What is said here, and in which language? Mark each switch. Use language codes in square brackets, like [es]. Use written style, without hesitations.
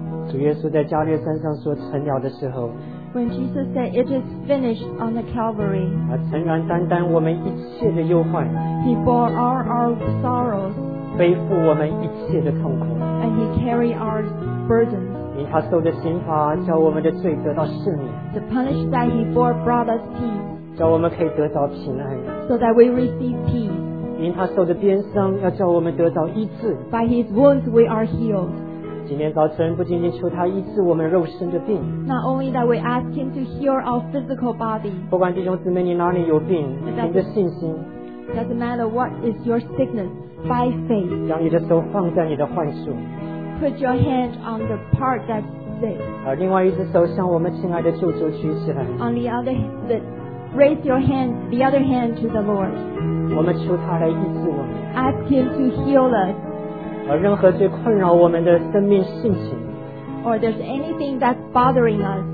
[zh] 主耶稣在加略山上说成了的时候， [en] When Jesus said it is finished on the Calvary, [zh] 承然担当我们一切的忧患， [en] He bore all our sorrows, [zh] 背负我们一切的痛苦， [en] and He carried our burdens. [zh] 因他受的刑罚，叫我们的罪得到赦免。 [en] The punishment that He bore brought us peace, [zh] 叫我们可以得到平安。 [en] So that we receive peace. [zh] 因他受的鞭伤，要叫我们得到医治。 [en] By His wounds we are healed. [zh] 今天早晨不仅仅求他医治我们肉身的病， [en] Not only that we ask him to heal our physical body， [zh] 不管弟兄姊妹你哪里有病，凭着信心， [en] doesn't matter what is your sickness， by faith， [zh] 将你的手放在你的患处， [en] put your hand on the part that's sick， [zh] 而另外一只手向我们亲爱的救主举起来， [en] on the other hand raise your hand the other hand to the Lord， [zh] 我们求他来医治我们， [en] ask him to heal us， [zh] 而任何最困扰我们的生命性情， [en] or there's anything that's bothering us，